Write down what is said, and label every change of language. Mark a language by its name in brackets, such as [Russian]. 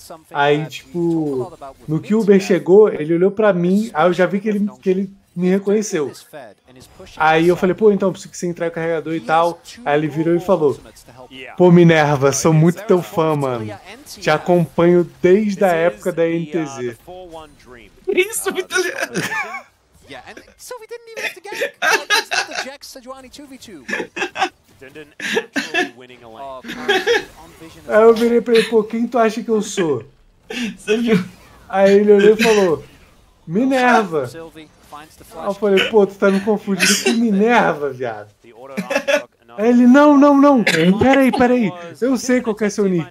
[Portuguese] Aí, tipo, no que o Uber chegou, ele olhou pra mim, aí eu já vi que ele me reconheceu. Aí eu falei, pô, então, preciso que você entregue o carregador e tal. Aí ele virou e falou, pô, Minerva, sou muito teu fã, mano. Te acompanho desde a época da NTZ. Isso, muito lindo. [English] Sylvie didn't even have to gank. It's not the Jax Sejuani 2v2. Dundon actually winning a lane. [Portuguese] Aí eu virei pra ele, pô, quem tu acha que eu sou? Você viu? Aí ele olhou e falou, Minerva. Aí eu falei, pô, tu tá me confundindo com Minerva, viado. Aí ele, não. Peraí. Eu sei qual que é seu nick.